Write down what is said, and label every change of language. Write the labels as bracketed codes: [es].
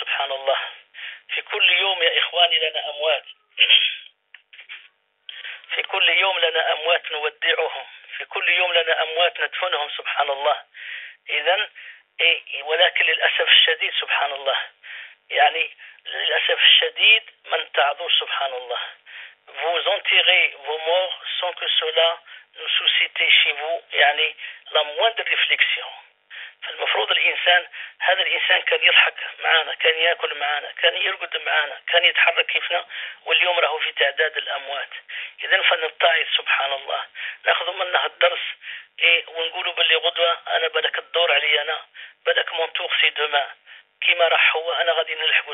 [ar] سبحان الله، في كل يوم يا إخواني لنا أموات، في كل يوم لنا أموات نودعهم، في كل يوم لنا أموات ندفنهم. سبحان الله. إذن ولكن للأسف الشديد، سبحان الله، يعني للأسف الشديد من تعذر. سبحان الله، [fr] vous enterrez vos morts sans que cela ne suscite chez vous يعني la moindre réflexion. [ar] فالمفروض الإنسان، هذا الإنسان كان يضحك معنا، كان يأكل معنا، كان يرقد معنا، كان يتحرك كيفنا، واليوم راهو في تعداد الأموات. إذا فنتعظ سبحان الله، ناخذ منه الدرس ونقولوا باللي غدوة أنا بلك الدور علي، أنا بلك [fr] مون تور سي دوما، [ar] كيما راح هو أنا غادي نلحقه.